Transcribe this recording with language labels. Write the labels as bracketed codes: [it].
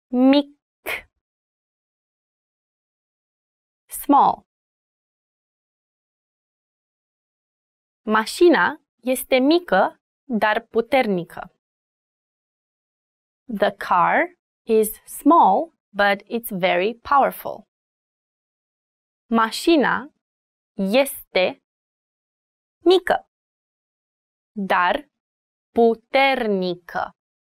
[ro] Mic. [en] Small. [ro] Mașina este mică, dar puternică. [en] The car is small, but it's very powerful. [ro] Mașina este mică, dar puternică.